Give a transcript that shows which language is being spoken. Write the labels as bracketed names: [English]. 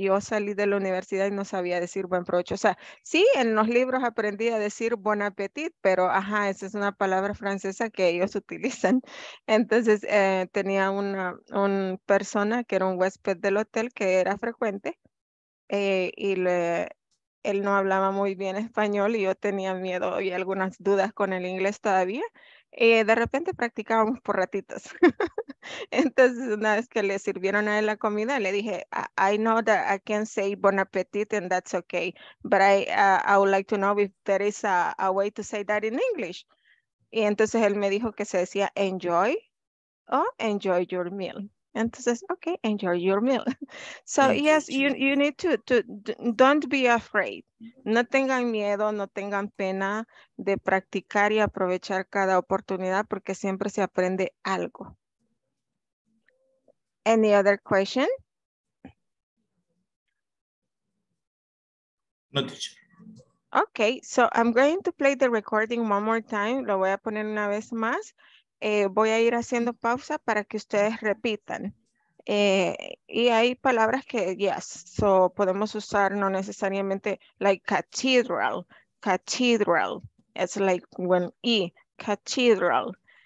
[Spanish] Yo salí de la universidad y no sabía decir buen provecho. O sea, sí, en los libros aprendí a decir bon appétit, pero esa es una palabra francesa que ellos utilizan. Entonces, tenía una persona que era un huésped del hotel que era frecuente y le, él no hablaba muy bien español y yo tenía miedo y algunas dudas con el inglés todavía. De repente practicábamos por ratitos. Entonces, una vez que le sirvieron a él la comida, le dije, [English] I know that I can say bon appetit and that's okay, but I would like to know if there is a way to say that in English. [Spanish] Y entonces él me dijo que se decía enjoy o enjoy your meal. [English] Entonces, okay, enjoy your meal. So, yes, you need to don't be afraid. [Spanish] No tengan miedo, no tengan pena de practicar y aprovechar cada oportunidad porque siempre se aprende algo. [English] Any other question? No, teacher. Okay, so I'm going to play the recording one more time. [Spanish] Lo voy a poner una vez más. Voy a ir haciendo pausa para que ustedes repitan. Y hay palabras que, yes, so podemos usar no necesariamente like cathedral. [English] Cathedral. It's like when E, cathedral.